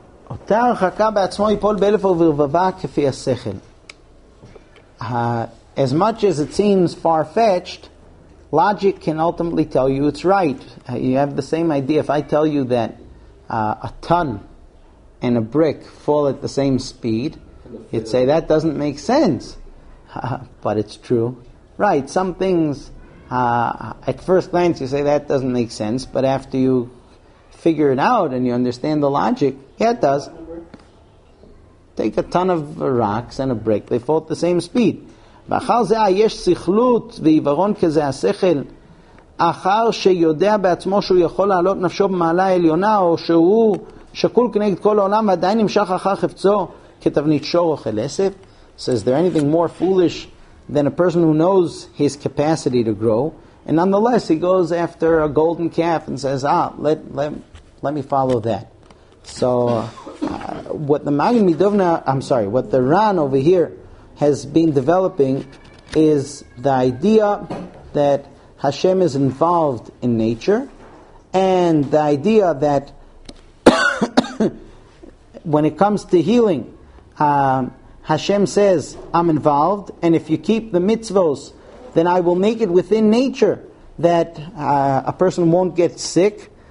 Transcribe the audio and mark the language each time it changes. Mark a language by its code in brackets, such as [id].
[he] אותה הרחקה בעצמו ייפול באלף וברבבה כפי השכל. [en] As much as it seems far-fetched, logic can ultimately tell you it's right. You have the same idea. If I tell you that a ton and a brick fall at the same speed, you'd say that doesn't make sense. But it's true. Right, some things, at first glance you say that doesn't make sense, but after you figure it out and you understand the logic, yeah, it does. Take a ton of rocks and a brick, they fall at the same speed. [he] ואחר זה יש שכלות ועיוורון כזה השכל, אחר שיודע בעצמו שהוא יכול לעלות נפשו במעלה העליונה, או שהוא שקול כנגד כל העולם ועדיין נמשך אחר חפצו כתבנית שור או חלסף. [en] So is there anything more foolish than a person who knows his capacity to grow? And nonetheless, he goes after a golden calf and says, let me follow that. So what the Magen Midovna, what the Ran over here has been developing is the idea that Hashem is involved in nature, and the idea that when it comes to healing, Hashem says, I'm involved, and if you keep the mitzvos, then I will make it within nature that a person won't get sick.